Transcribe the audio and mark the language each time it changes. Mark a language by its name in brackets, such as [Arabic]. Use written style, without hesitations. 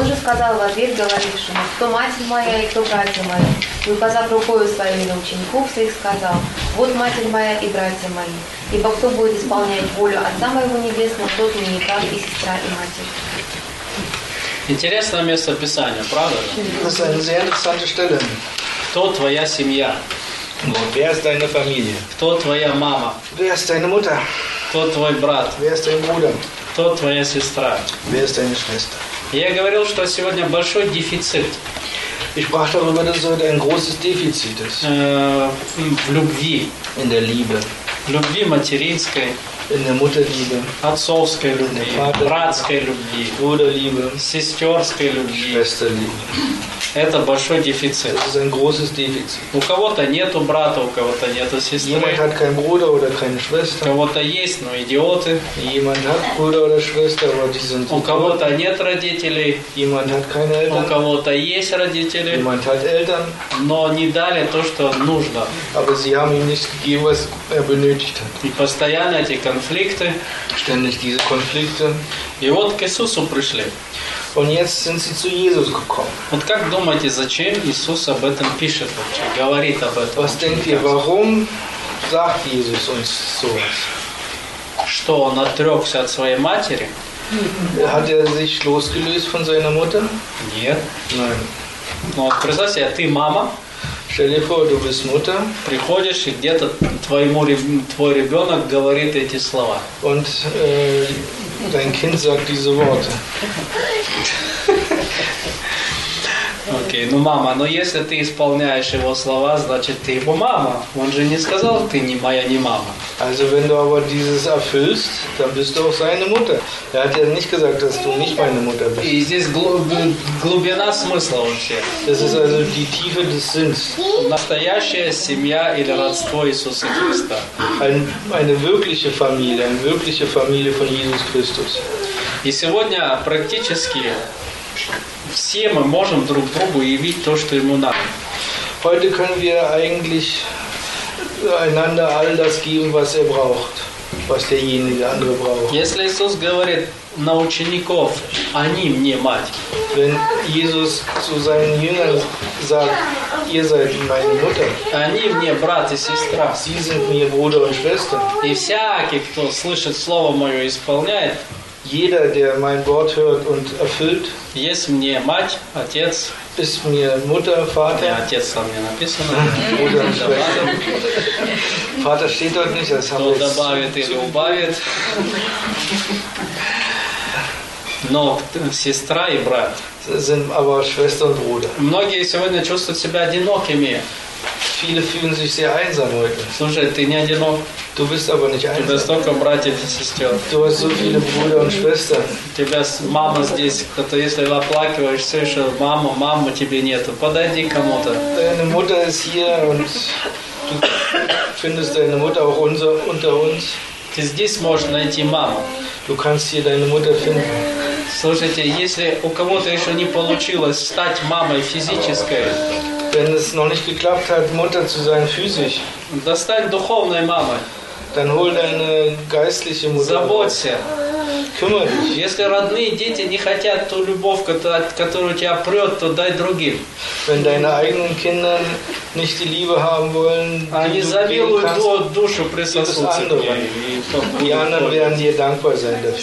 [Russian] Он же сказал в ответ говорившему, кто матерь моя и кто братья мои. И указав рукою своими на учеников своих, сказал, вот матерь моя и братья мои. Ибо кто будет исполнять волю Отца моего Небесного, тот и не так и сестра, и матерь. Интересное место Писания, правда? [German] Das ist eine sehr interessante Stelle. [Russian] Кто твоя семья? [German] Wer ist deine Familie? [Russian] Кто твоя мама? [German] Wer ist deine Mutter? [Russian] Кто твой брат? [German] Wer ist dein Bruder? [Russian] Кто твоя сестра? [German] Wer ist deine Schwester? [Russian] Я говорил, что сегодня большой дефицит. [German] Ich sprach darüber, dass heute ein großes Defizit ist. [Russian] В любви. [German] In der Liebe. [Russian] В любви материнской. [German] In der Mutterliebe. [Russian] Отцовской любви. Братской любви. [German] Bruderliebe. [Russian] Сестерской любви. [German] Schwesterliebe. [Russian] Это большой дефицит. [German] Das ist ein großes Defizit. [Russian] У кого-то нету брата, у кого-то нету сестры. [German] Jemand hat keinen Bruder oder keine Schwester. [Russian] У кого-то есть, но идиоты. [German] Jemand hat Bruder oder Schwester, aber die sind [Russian] у кого-то нет родителей. [German] Jemand hat keine Eltern. [Russian] У кого-то есть родители. [German] Jemand hat Eltern. [Russian] Но не дали то, что нужно. [German] Aber sie haben ihm nichts gegeben, was er benötigt hat. [Russian] И постоянно эти конфликты. [German] Ständig diese Konflikte. [Russian] И вот к Иисусу пришли. [German] Und jetzt sind sie zu Jesus gekommen. [Russian] Вот как думаете, зачем Иисус об этом пишет, говорит об этом? [German] Was denkt ihr, warum sagt Jesus uns sowas? [Russian] Что он отрекся от своей матери? [German] Hat er sich losgelöst von seiner Mutter? [Russian] Нет. [German] Nein. [Russian] Ну, вот представь себе, ты мама. [German] Stell dir vor, du bist Mutter. [Russian] Приходишь, и где-то твой ребенок говорит эти слова. [German] Und dein Kind sagt diese Worte. [Russian] Окей, ну мама, но если ты исполняешь его слова, значит ты его мама. Он же не сказал, ты не моя, не мама. [German] Also wenn du aber dieses erfüllst, dann bist du auch seine Mutter. Er hat ja nicht gesagt, dass du nicht meine Mutter bist. [Russian] И здесь глубина смысла вообще. [German] Das ist also die Tiefe des Sinns. [Russian] Настоящая семья или родство Иисуса Христа. [German] Eine wirkliche Familie, eine wirkliche Familie von Jesus Christus. [Russian] И сегодня практически все мы можем друг другу явить то, что ему надо. [German] Heute können wir eigentlich einander all das geben, was er braucht, was derjenige andere braucht. [Russian] Если Иисус говорит на учеников, они мне мать. [German] Wenn Jesus zu seinen Jüngern sagt, ihr seid meine Mutter. [Russian] Они мне брат и сестра. [German] Sie sind mir Bruder und Schwester. [Russian] И всякий, кто слышит слово мое и исполняет. [German] Jeder, der mein Wort hört und erfüllt, ist [Russian] мне мать, отец, [German] ist mir Mutter, Vater. Ja, [Russian] отец там не написано. [German] Bruder und Schwester. Vater steht dort nicht, das haben wir jetzt. [Russian] Кто добавит или убавит. Но сестра и брат. [German] Sind aber Schwester und Bruder. [Russian] Многие сегодня чувствуют себя одинокими. [German] viele fühlen sich sehr einsam heute. [Russian] Слушай, ты не одинок. [German] Du bist aber nicht einsam. Du hast [Russian] столько братьев и сестер. [German] Du hast so viele Brüder und Schwestern. [Russian] У тебя мама здесь, кто-то, если оплакиваешь, все еще мама, мама тебе нету. Подойди кому-то. [German] Deine Mutter ist hier und du findest deine Mutter auch unter uns. [Russian] Ты здесь можешь найти маму. [German] Du kannst hier deine Mutter finden. [Russian] Слушайте, если у кого-то еще не получилось стать мамой физической, [German] wenn es noch nicht geklappt hat, Mutter zu sein physisch, dann stand [Russian] духовной мамой. [German] Dann hol deine geistliche Mutter. [Russian] Заботься. [German] Kümmere dich. [Russian] Если родные дети не хотят ту любовь, которая у тебя прет, то дай другим. [German] Wenn deine eigenen Kinder nicht die Liebe haben wollen, [Russian] они завилуют душу присосутся. [German] Die anderen werden dir dankbar sein dafür.